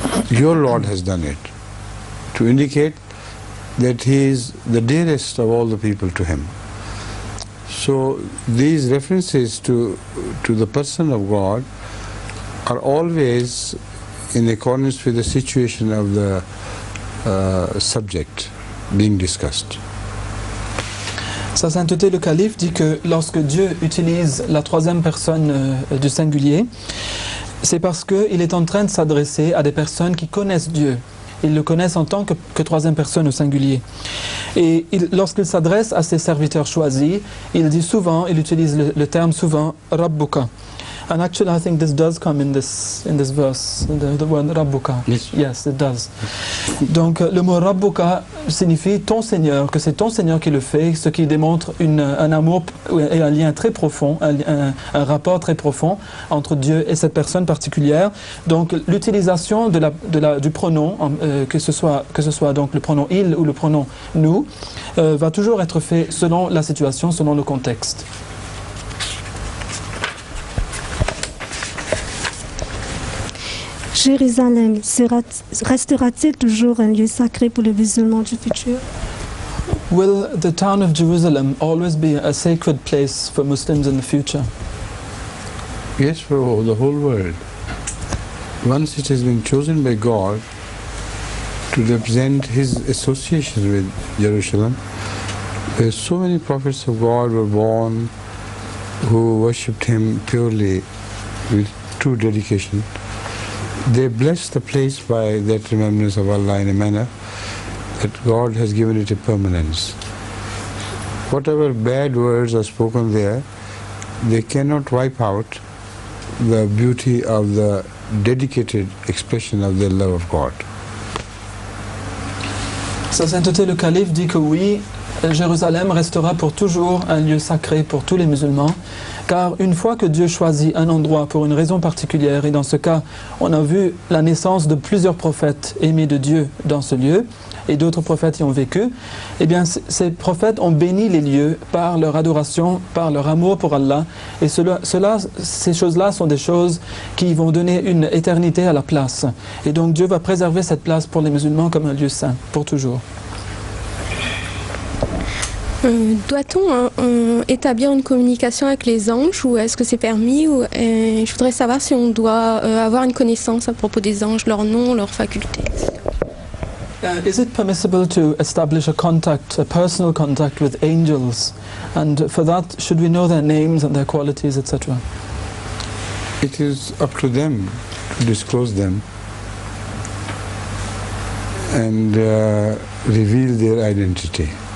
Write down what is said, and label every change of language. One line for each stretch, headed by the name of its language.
English: Your Lord has done it, to indicate that He is the dearest of all the people to Him. So these references to the person of God are always in accordance with the situation of the subject being discussed.
French: Sa Sainteté le Calife dit que lorsque Dieu utilise la troisième personne du singulier, c'est parce qu'il est en train de s'adresser à des personnes qui connaissent Dieu. Ils le connaissent en tant que troisième personne au singulier. Et lorsqu'il s'adresse à ses serviteurs choisis, il dit souvent, il utilise le terme souvent, Rabbuka.
English: And actually, I think this does come in this verse, the word Rabbuka. Yes, it does.
French: Donc, le mot Rabbuka signifie ton Seigneur, que c'est ton Seigneur qui le fait, ce qui démontre un amour et un lien très profond, un rapport très profond entre Dieu et cette personne particulière. Donc, l'utilisation du pronom, que ce soit donc le pronom il ou le pronom nous, va toujours être fait selon la situation, selon le contexte. Jérusalem restera-t-il toujours un lieu sacré pour les musulmans du futur?
English: Will the town of Jerusalem always be a sacred place for Muslims in the future? Yes, for the whole world. Once it has been chosen by God to represent His association with Jerusalem, there so many prophets of God were born who worshipped Him purely with true dedication. They bless the place by that remembrance of Allah in a manner that God has given it a permanence. Whatever bad words are spoken there, they cannot wipe out the beauty of the dedicated expression of their love of God.
French: Sa Sainteté le Calife dit que oui, Jérusalem restera pour toujours un lieu sacré pour tous les musulmans. Car une fois que Dieu choisit un endroit pour une raison particulière, et dans ce cas, on a vu la naissance de plusieurs prophètes aimés de Dieu dans ce lieu, et d'autres prophètes y ont vécu, eh bien ces prophètes ont béni les lieux par leur adoration, par leur amour pour Allah, et ces choses-là sont des choses qui vont donner une éternité à la place. Et donc Dieu va préserver cette place pour les musulmans comme un lieu saint, pour toujours. Doit-on établir une communication avec les anges, ou est-ce que c'est permis, ou je voudrais savoir si on doit avoir une connaissance à propos des anges, leur nom, leur faculté.
English: Is it permissible to establish a contact, a personal contact with angels, and for that should we know their names and their qualities, etc.? It is up to them to disclose them and reveal their identity.